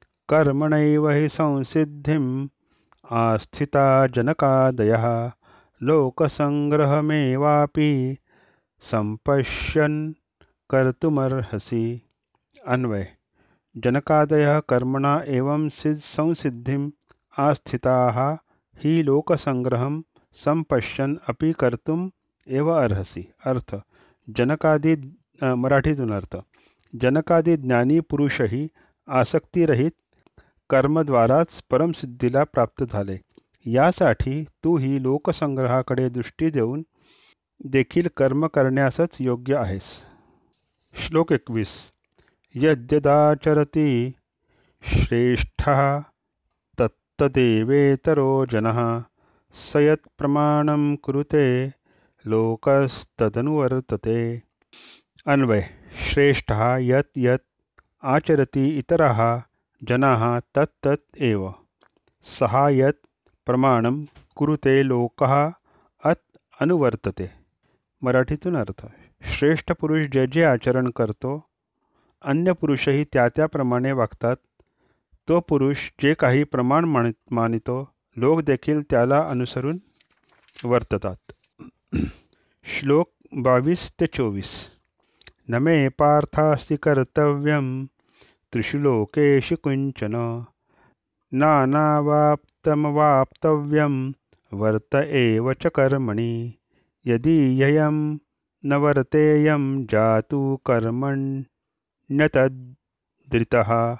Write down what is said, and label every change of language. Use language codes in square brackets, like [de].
[sa] कर्मणैव हि संसिद्धिं आस्थिता जनकादयः लोकसंग्रहमेवापि संपश्यन् कर्तुमर्हसि। अन्वय जनकादयः कर्मणा एवं संसिद्धिम् आस्थिताः हि लोकसंग्रहं संपश्यन् अपि कर्तुम् एव अर्हसि। [mr] अर्थ जनकादि मराठीतून अर्थ जनकादि ज्ञानी पुरुषही आसक्तिरहित कर्मद्वाराच परमसिद्धीला प्राप्त झाले यासाठी तू ही लोकसंग्रहाकडे दृष्टी देऊन देखील कर्म करण्यासच योग्य आहेस। [sa] श्लोक 21 यद्यदाचरति श्रेष्ठः तत्तदेवेतरो जनः सयत् प्रमाणं कुरुते लोकस्तदनुवर्तते। अन्वय श्रेष्ठः यत् यत् आचरति इतरः जनाः तत् तत् एव। सः यत् प्रमाणं कुरुते लोकः अत् अनुवर्तते। [mr] मराठीतून अर्थ, श्रेष्ठ पुरुष जे जे आचरण करतो अन्य पुरुषही त्या त्याप्रमाणे वागतात, तो पुरुष जे काही प्रमाण मानितो लोक देखील त्याला अनुसरून वर्ततात। श्लोक 22-24। [sa] न मे पार्थास्ति कर्तव्यं त्रिषु लोकेषु कुञ्चन, नानावाप्तमवाप्तव्यं वर्त एव च कर्मणि, यदि ययं न वर्तेयं जातु कर्मण्यतद्धृतः।